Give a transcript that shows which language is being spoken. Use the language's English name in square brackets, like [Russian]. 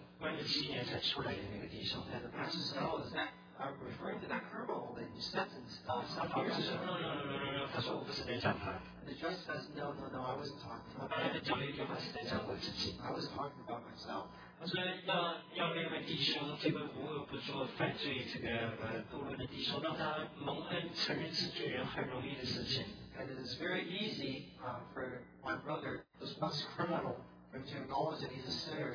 [Chinese] 他说就是跪在你旁边那个被你判了7年的，关了7年才出来的那个弟兄。 [English] And the pastor said, oh, is that referring to that criminal that you sentenced? [Chinese] 他说， [English] no, [Chinese] 他说我不是在讲他。 [English] The judge says, no, I wasn't talking about that. [Chinese] 他讲了一句话是在讲我自己。 [English] I was talking about myself. [Chinese] 他说要那位弟兄，这个无恶不作，犯罪这个堕落的弟兄，让他蒙恩，承认是罪人，很容易的事情。 [English] And it is very easy for my brother, this once criminal, for him to acknowledge that he's a sinner.